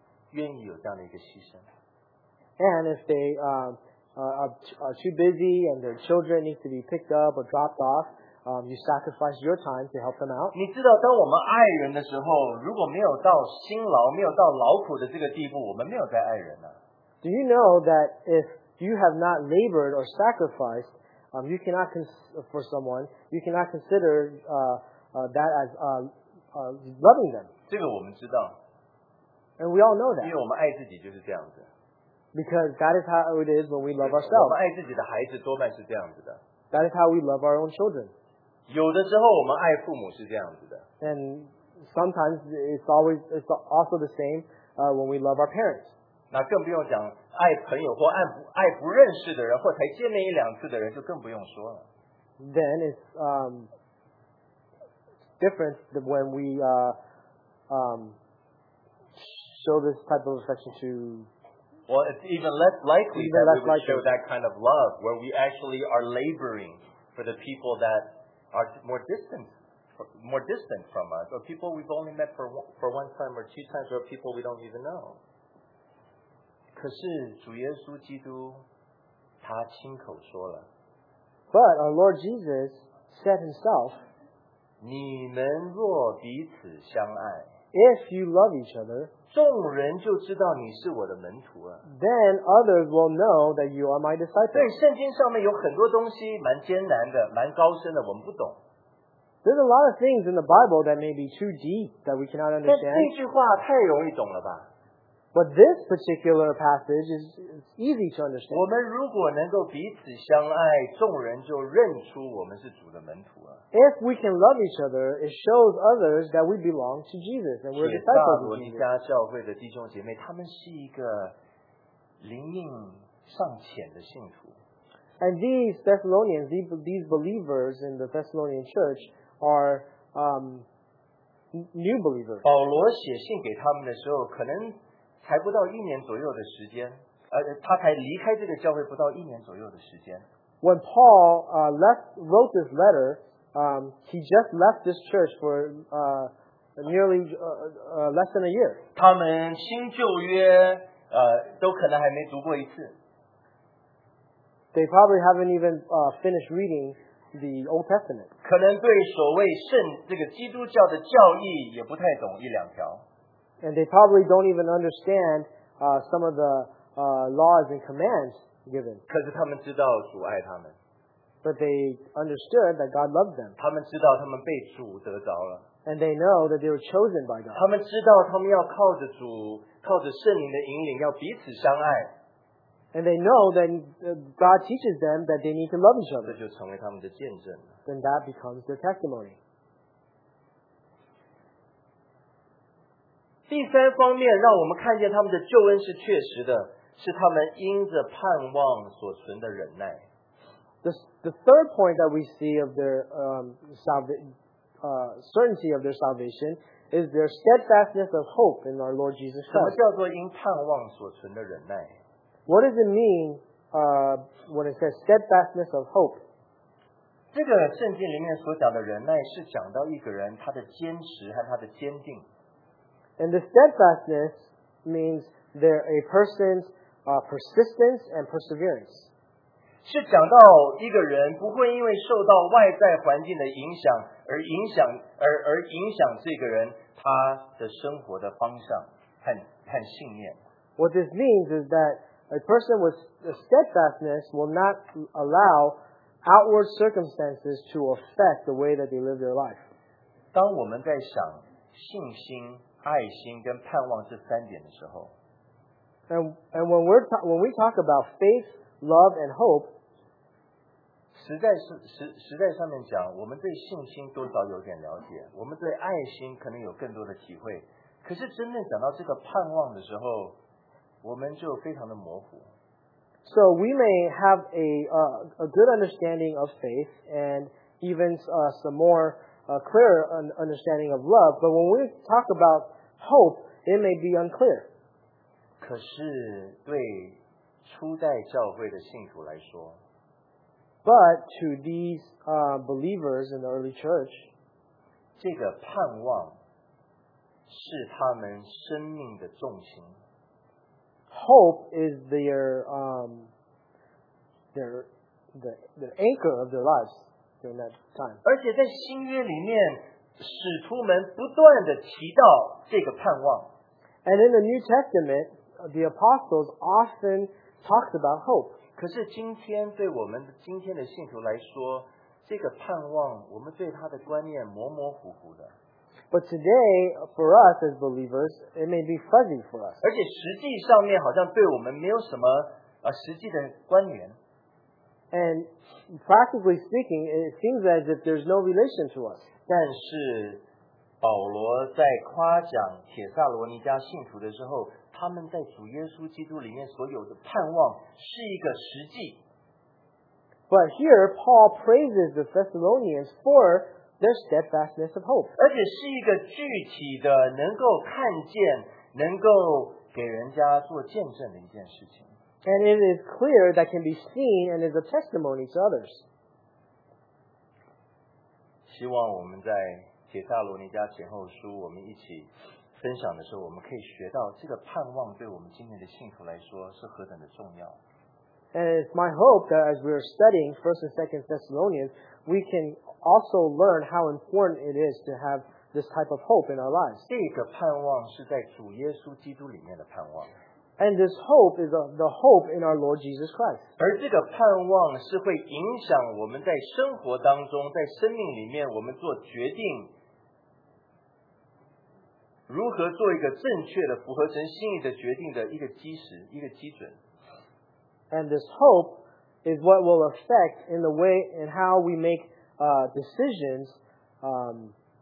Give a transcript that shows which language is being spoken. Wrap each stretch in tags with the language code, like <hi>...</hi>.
<en>And if they are too busy and their children need to be picked up or dropped off, you sacrifice your time to help them out.</en> <zh>你知道，当我们爱人的时候，如果没有到辛劳、没有到劳苦的这个地步，我们没有在爱人呢。</zh> <en>Do you know that if you have not labored or sacrificed, you cannot for someone, you cannot consider that as loving them.</en> <zh>这个我们知道。</zh> <en>And we all know that. Because that is how it is when we love ourselves. That is how we love our own children. And sometimes it's also the same when we love our parents.</en> <zh>那更不用讲爱朋友或爱不认识的人或才见面一两次的人就更不用说了。</zh> <en>Then it's different when we show this type of affection to. Well, it's even less likely that we would show that kind of love where we actually are laboring for the people that are more distant from us, or people we've only met for one time or two times, or people we don't even know.</en> <zh>可是主耶稣基督他亲口说了。</zh> <en>But our Lord Jesus said himself,</en> <zh>你们若彼此相爱,</zh> <en>if you love each other,</en> <zh>众人就知道你是我的门徒了,</zh> <en>then others will know that you are my disciple.</en> <zh>对, 圣经上面有很多东西蛮艰难的, 蛮高深的, 我们不懂。</zh> <en>There's a lot of things in the Bible that may be too deep that we cannot understand.</en> <zh>但这句话太容易懂了吧。</zh> <en>But this particular passage is easy to understand.</en> <zh>我们如果能够彼此相爱，众人就认出我们是主的门徒了。</zh> <en>If we can love each other, it shows others that we belong to Jesus and we're disciples of Jesus.</en> <zh>铁萨罗尼加教会的弟兄姐妹，他们是一个灵命尚浅的信徒。</zh> <en>And these Thessalonians, these believers in the Thessalonian church are new believers.</en> <zh>保罗写信给他们的时候，可能才不到一年左右的时间，他才离开这个教会不到一年左右的时间。</zh> <en>When Paul wrote this letter, he just left this church for less than a year.</en> <zh>他们新旧约都可能还没读过一次。</zh> <en>They probably haven't even finished reading the Old Testament.</en> <zh>可能对所谓圣这个基督教的教义也不太懂一两条。</zh> <en>And they probably don't even understand some of the laws and commands given.</en> <zh>可是他们知道主爱他们。</zh> <en>But they understood that God loved them.</en> <zh>他们知道他们被主得着了。</zh> <en>And they know that they were chosen by God.</en> <zh>他们知道他们要靠着主，靠着圣灵的引领，要彼此相爱。</zh> <en>And they know that God teaches them that they need to love each other.</en> <zh>这就成为他们的见证。</zh> <en>Then that becomes their testimony.</en> <zh>第三方面让我们看见他们的救恩是确实的，是他们因着盼望所存的忍耐。</zh> <en>The third point that we see of their certainty of their salvation is their steadfastness of hope in our Lord Jesus Christ.</en> <zh>什么叫做因盼望所存的忍耐？</zh> <en>What does it mean when it says steadfastness of hope?</en> <zh>这个圣经里面所讲的忍耐是讲到一个人他的坚持和他的坚定。</zh> <en>And the steadfastness means they're a person's persistence and perseverance.</en> <zh>是讲到一个人不会因为受到外在环境的影响而影响这个人他的生活的方向和信念。</zh> <en>What this means is that a person with steadfastness will not allow outward circumstances to affect the way that they live their life.</en> <zh>当我们在想信心爱心跟盼望这三点的时候</zh> <en>and when we talk about faith, love and hope</en> <zh>实在上面讲我们对信心多少有点了解我们对爱心可能有更多的体会可是真正讲到这个盼望的时候我们就非常的模糊</zh> <en>so we may have a good understanding of faith and even some more a clear understanding of love, but when we talk about hope, it may be unclear.</en> <zh>可是对初代教会的信徒来说,</zh> <en>but to these believers in the early church,</en> <zh>这个盼望是他们生命的重心。</zh> <en>Hope is their anchor of their lives. During that time.</en> <zh>而且在新约里面，使徒们不断的提到这个盼望。</zh> <en>And in the New Testament, the apostles often talked about hope.</en> <zh>可是今天对我们今天的信徒来说，这个盼望，我们对它的观念模模糊糊的。</zh> <en>But today, for us as believers, it may be fuzzy for us.</en> <zh>而且实际上面好像对我们没有什么实际的关联。</zh> <en>And practically speaking, it seems as if there's no relation to us.</en> <zh>但是保罗在夸奖铁萨罗尼加信徒的时候，他们在主耶稣基督里面所有的盼望是一个实际。</zh> <en>But here, Paul praises the Thessalonians for their steadfastness of hope.</en> <zh>而且是一个具体的，能够看见，能够给人家做见证的一件事情。</zh> <en>And it is clear that can be seen and is a testimony to others.</en> <zh>希望我们在帖撒罗尼迦前后书，我们一起分享的时候，我们可以学到这个盼望对我们今天的信徒来说是何等的重要。</zh> <en>And it's my hope that as we are studying 1st and 2nd Thessalonians, we can also learn how important it is to have this type of hope in our lives.</en> <zh>这个盼望是在主耶稣基督里面的盼望。</zh> <en>And this hope is the hope in our Lord Jesus Christ.</en> <zh>而这个盼望是会影响我们在生活当中，在生命里面我们做决定，如何做一个正确的，符合神心意的决定的一个基石，一个基准。</zh> <en>And this hope is what will affect in the way and how we make decisions.</en>